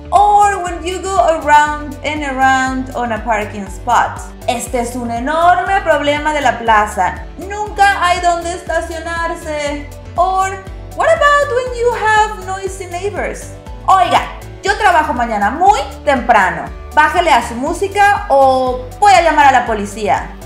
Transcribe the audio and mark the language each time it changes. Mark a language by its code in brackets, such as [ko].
[en] Or when you go around and around on a parking spot. [es] ¡Este es un enorme problema de la plaza! ¡Nunca hay donde estacionarse! [en] Or what about when you have noisy neighbors? [es] ¡Oiga! Yo trabajo mañana muy temprano. Bájale a su música o voy a llamar a la policía.